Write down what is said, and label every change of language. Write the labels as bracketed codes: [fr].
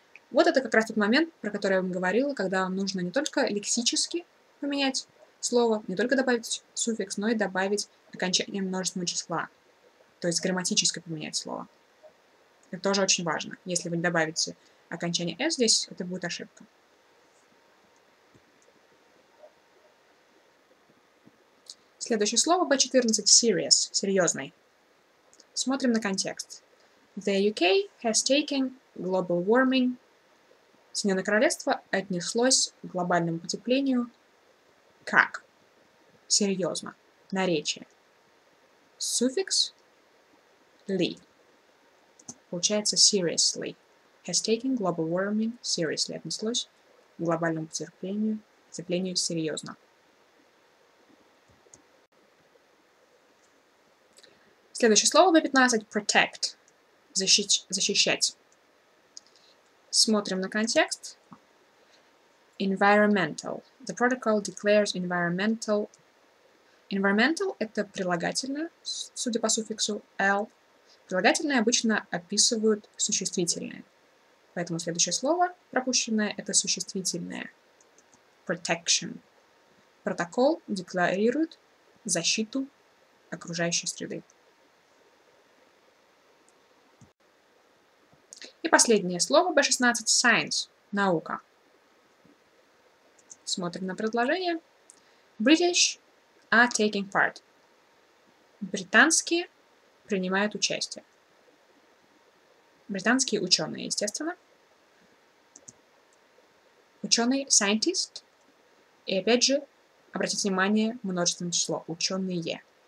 [ru] Вот это как раз тот момент, про который я вам говорила, когда вам нужно не только лексически поменять слово, не только добавить суффикс, но и добавить окончание множественного числа, то есть грамматически поменять слово. Это тоже очень важно. Если вы не добавите окончание s здесь, это будет ошибка. Следующее слово B14 — serious, серьезный. Смотрим на контекст. [en] The UK has taken global warming. [ru] Соединенное Королевство отнеслось к глобальному потеплению. Как? Серьезно. Наречие. Суффикс «ly». Получается «seriously». [en] Has taken global warming seriously. [ru] Отнеслось к глобальному потеплению серьезно. Следующее слово B15 — «protect». Защищать. Смотрим на контекст. [en] Environmental. The protocol declares environmental. [ru] Environmental — это прилагательное, судя по суффиксу L. Прилагательные обычно описывают существительные. Поэтому следующее слово, пропущенное, — это существительное. [en] Protection. [ru] Протокол декларирует защиту окружающей среды. И последнее слово, B16 — science, наука. Смотрим на предложение. [en] British are taking part. [ru] Британские принимают участие. Британские ученые, естественно. Ученый — scientist. И опять же, обратите внимание, множественное число — ученые.